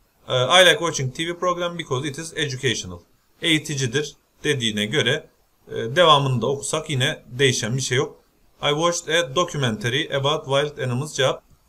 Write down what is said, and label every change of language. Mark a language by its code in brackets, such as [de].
[en] I like watching TV program because it is educational. [tr] Eğiticidir dediğine göre devamını da okusak yine değişen bir şey yok. [en] I watched a documentary about wild animals [tr] cevap.